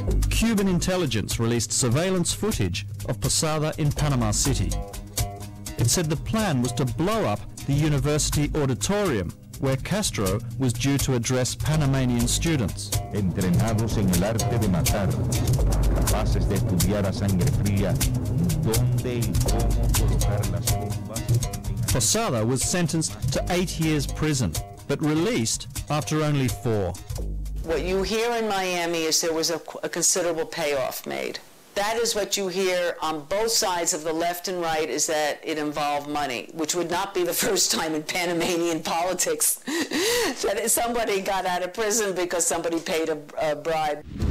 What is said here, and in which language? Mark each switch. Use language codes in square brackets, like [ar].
[en] Cuban intelligence released surveillance footage of Posada in Panama City. It said the plan was to blow up the university auditorium where Castro was due to address Panamanian students. [es] Entrenados en el arte de matar, capaces de estudiar a sangre fría, dónde y cómo colocar las bombas. [en] Posada was sentenced to 8 years prison, but released after only 4. What you hear in Miami is there was a considerable payoff made. That is what you hear on both sides of the left and right, is that it involved money, which would not be the first time in Panamanian politics that somebody got out of prison because somebody paid a bribe.